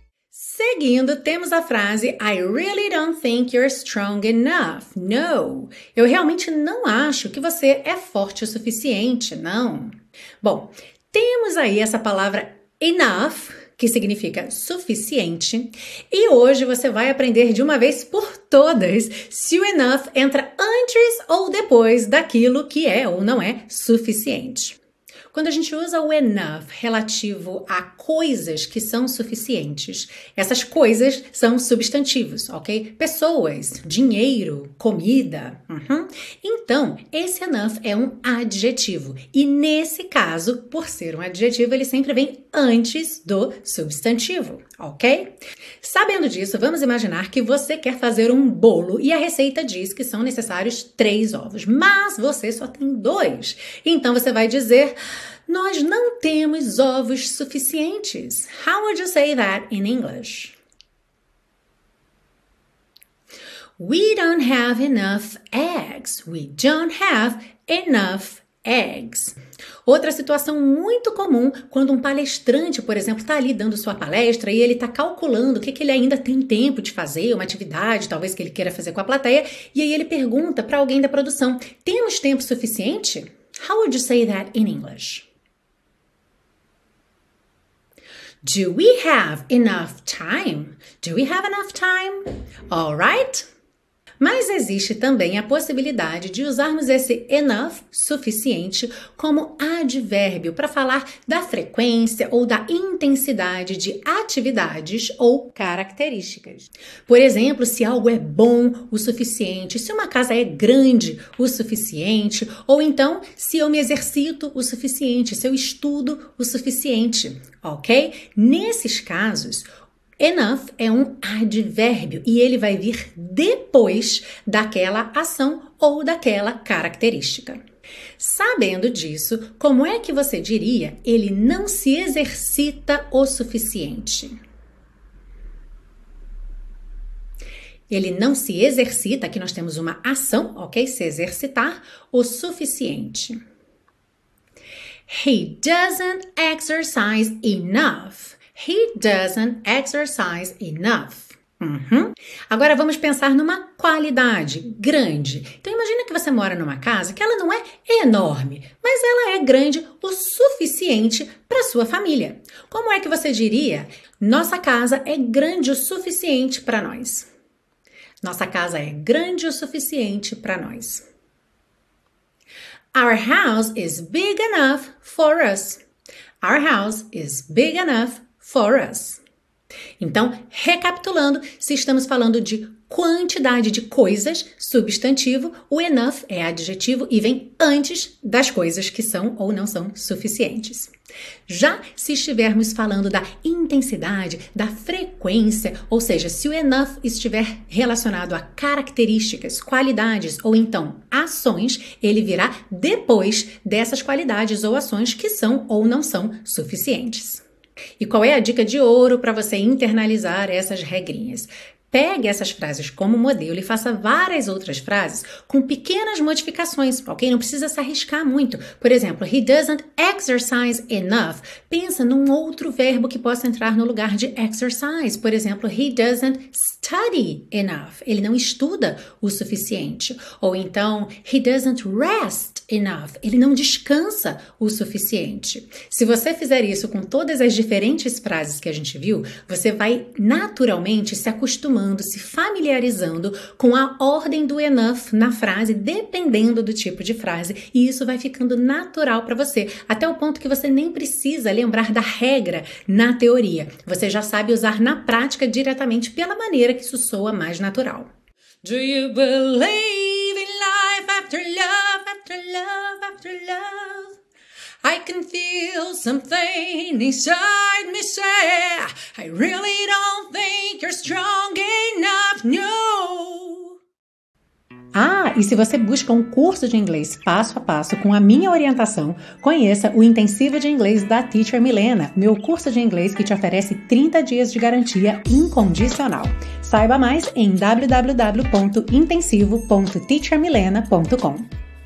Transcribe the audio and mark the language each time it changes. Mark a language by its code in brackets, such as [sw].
[pt] Seguindo, temos a frase [en] I really don't think you're strong enough. [pt] No, eu realmente não acho que você é forte o suficiente, não. Bom, temos aí essa palavra enough, que significa suficiente. E hoje você vai aprender de uma vez por todas se o enough entra antes ou depois daquilo que é ou não é suficiente. Quando a gente usa o enough relativo a coisas que são suficientes, essas coisas são substantivos, ok? Pessoas, dinheiro, comida. Então, esse enough é um adjetivo. E nesse caso, por ser um adjetivo, ele sempre vem antes do substantivo, ok? Sabendo disso, vamos imaginar que você quer fazer um bolo e a receita diz que são necessários 3 ovos, mas você só tem 2. Então, você vai dizer, nós não temos ovos suficientes. [en] How would you say that in English? We don't have enough eggs. We don't have enough eggs. [pt] Outra situação muito comum quando um palestrante, por exemplo, está ali dando sua palestra e ele está calculando o que ele ainda tem tempo de fazer, uma atividade talvez que ele queira fazer com a plateia, e aí ele pergunta para alguém da produção, temos tempo suficiente? [en] How would you say that in English? Do we have enough time? Do we have enough time? All right? [pt] Mas existe também a possibilidade de usarmos esse enough, suficiente, como advérbio para falar da frequência ou da intensidade de atividades ou características. Por exemplo, se algo é bom o suficiente, se uma casa é grande o suficiente, ou então se eu me exercito o suficiente, se eu estudo o suficiente, ok? Nesses casos, enough é um advérbio e ele vai vir depois daquela ação ou daquela característica. Sabendo disso, como é que você diria ele não se exercita o suficiente? Ele não se exercita, aqui nós temos uma ação, ok? Se exercitar o suficiente. [en] He doesn't exercise enough. He doesn't exercise enough. [pt] Agora vamos pensar numa qualidade grande. Então imagina que você mora numa casa que ela não é enorme, mas ela é grande o suficiente para sua família. Como é que você diria? Nossa casa é grande o suficiente para nós. Nossa casa é grande o suficiente para nós. [en] Our house is big enough for us. Our house is big enough for us. [pt] Então, recapitulando, se estamos falando de quantidade de coisas, substantivo, o enough é adjetivo e vem antes das coisas que são ou não são suficientes. Já se estivermos falando da intensidade, da frequência, ou seja, se o enough estiver relacionado a características, qualidades ou então ações, ele virá depois dessas qualidades ou ações que são ou não são suficientes. E qual é a dica de ouro para você internalizar essas regrinhas? Pegue essas frases como modelo e faça várias outras frases com pequenas modificações, ok? Não precisa se arriscar muito. Por exemplo, [en] he doesn't exercise enough. [pt] Pensa num outro verbo que possa entrar no lugar de exercise. Por exemplo, [en] he doesn't study enough. [pt] Ele não estuda o suficiente. Ou então, [en] he doesn't rest enough. [pt] Ele não descansa o suficiente. Se você fizer isso com todas as diferentes frases que a gente viu, você vai naturalmente se acostumando, se familiarizando com a ordem do enough na frase, dependendo do tipo de frase, e isso vai ficando natural para você, até o ponto que você nem precisa lembrar da regra na teoria. Você já sabe usar na prática diretamente pela maneira que isso soa mais natural. [en] Do you believe in life after love, after love, after love? I can feel something inside me say, I really don't think you're strong enough, no. Ah, [pt] e se você busca um curso de inglês passo a passo com a minha orientação, conheça o Intensivo de Inglês da Teacher Milena, meu curso de inglês que te oferece 30 dias de garantia incondicional. Saiba mais em www.intensivo.teachermilena.com.